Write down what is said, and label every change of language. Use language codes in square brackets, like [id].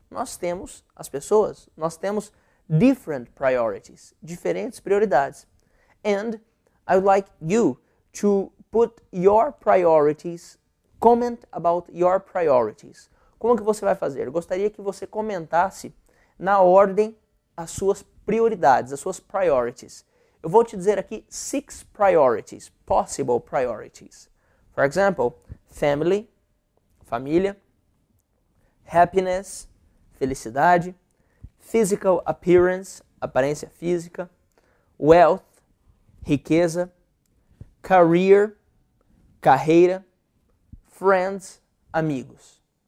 [pt] Nós temos, as pessoas, nós temos different priorities, diferentes prioridades. [en] And I would like you to put your priorities, comment about your priorities. [pt] Como que você vai fazer? Eu gostaria que você comentasse na ordem as suas prioridades, as suas priorities. Eu vou te dizer aqui 6 priorities, possible priorities. [en] For example, family, família, happiness, felicidade, physical appearance, aparência física, wealth, riqueza, career, carreira, friends, amigos.